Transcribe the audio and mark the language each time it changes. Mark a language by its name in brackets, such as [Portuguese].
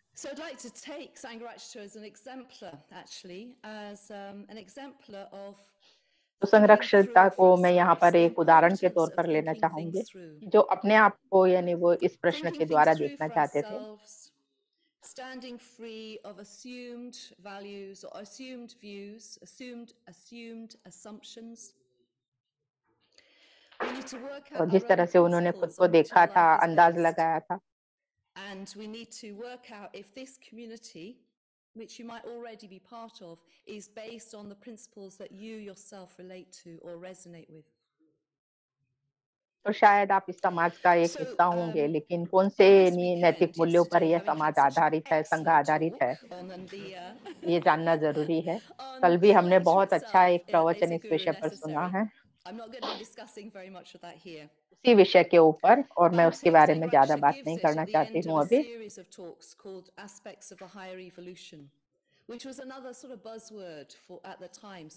[English] So I'd like to take Sangharakshita as an exemplar, actually, as an exemplar of. [Hindi] तो संरक्षिता को मैं यहाँ पर एक उदाहरण के तौर पर लेना चाहूंगी जो अपने आप को यानी वो इस प्रश्न के द्वारा देखना चाहते थे [English] standing free of assumed values or assumed views, assumed assumptions. [Hindi] और जिस तरह से उन्होंने खुद को देखा था अंदाज लगाया था [English] And we need to work out if this community, which you might already be part of, is based on the principles that you yourself relate to or resonate with. [Hindi] और शायद आप इस समाज का एक हिस्सा होंगे, लेकिन कौन से नैतिक मूल्यों पर यह समाज आधारित है, संघ आधारित है, ये जानना जरूरी है. कल भी हमने बहुत अच्छा एक प्रवचन इस विषय पर सुना है. [English] I'm not going to be discussing very much of that here. [Hindi] इसी विषय के ऊपर और मैं उसके बारे में ज्यादा बात नहीं करना चाहती हूँ अभी.